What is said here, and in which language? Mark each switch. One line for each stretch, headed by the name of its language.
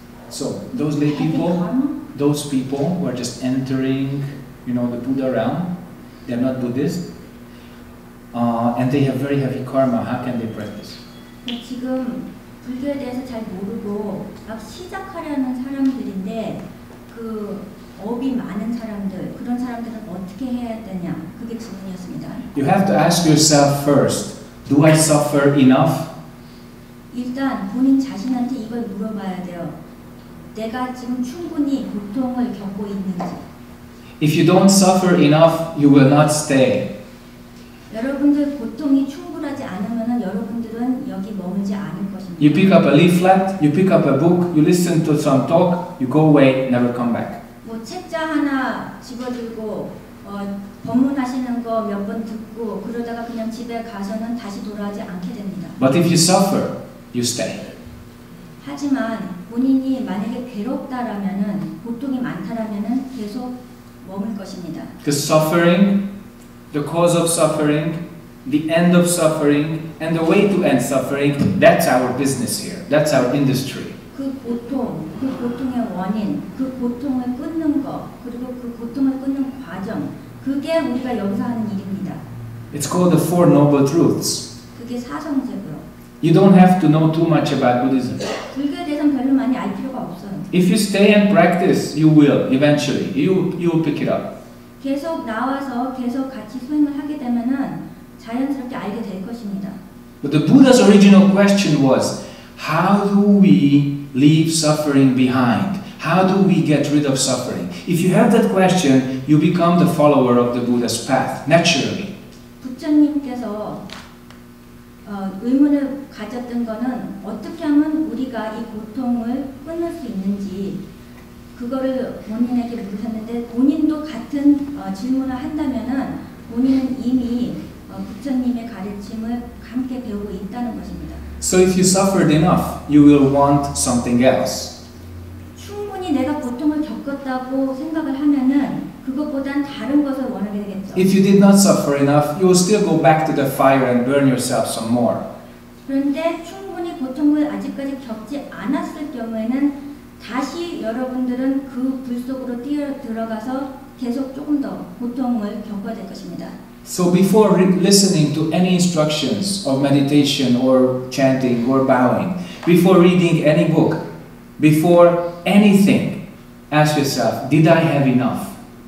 English: So those lay people, those people who are just entering, you know, the Buddha realm, they're not Buddhist, and they have very heavy karma. How can they practice?
Korean: 지금 불교에 대해서 잘 모르고 막 시작하려는 사람들인데 그 업이 많은 사람들 그런 사람들은 어떻게 해야 되냐 그게 질문이었습니다.
English: You have to ask yourself first. Do I suffer enough?
Korean: 일단 본인 자신한테 이걸 물어봐야 돼요. 내가 지금 충분히 고통을 겪고 있는지.
English: If you don't suffer enough, you will not stay.
Korean: 여러분들 고통이 충분하지 않으면은 여러분들은 여기 머물지 않을 것입니다.
English: You pick up a leaflet, you pick up a book, you listen to some talk, you go away, never come back.
Korean: 뭐 책자 하나 집어들고 법문하시는 거 몇 번 듣고 그러다가 그냥 집에 가서는 다시 돌아오지 않게 됩니다.
English: But if you suffer, you stay.
Korean: 하지만 본인이 만약에 괴롭다라면은 고통이 많다라면은 계속 머물 것입니다.
English: The suffering, the cause of suffering, the end of suffering, and the way to end suffering, that's our business here. That's our industry.
Korean: 그 고통, 그 고통의 원인, 그 고통을 끊는 거, 그리고 그 고통을 끊는 과정, 그게 우리가 여기서 하는 일입니다.
English: It's called the Four Noble Truths.
Korean: 그게 사성제고요.
English: You don't have to know too much about Buddhism.
Korean: 불교에 대해서는 별로 많이 알 필요가 없어요.
English: If you stay and practice, you will eventually. You will pick it up.
Korean: 계속 나와서 계속 같이 수행을 하게 되면은 자연스럽게 알게 될 것입니다.
English: But the Buddha's original question was, how do we leave suffering behind? How do we get rid of suffering? If you have that question, you become the follower of the Buddha's path naturally.
Korean: 부처님께서 의문을 가졌던 것은 어떻게 하면 우리가 이 고통을 끊을 수 있는지 그거를 본인에게 물으셨는데 본인도 같은 질문을 한다면은 본인은 이미 부처님의 가르침을 함께 배우고 있다는 것입니다.
English: So if you suffered enough, you will want something else.
Korean: 충분히 내가 고통을 겪었다고 생각을 하면은 그것보단 다른 것을 원하게 되겠죠.
English: If you did not suffer enough, you will still go back to the fire and burn yourself some more.
Korean: 그런데 충분히 고통을 아직까지 겪지 않았을 경우에는 다시 여러분들은 그 불 속으로 들어가서 계속 조금 더 고통을 겪어야 될 것입니다.
English: So before listening to any instructions of meditation or chanting or bowing, before reading any book, before anything, ask yourself, did I have enough?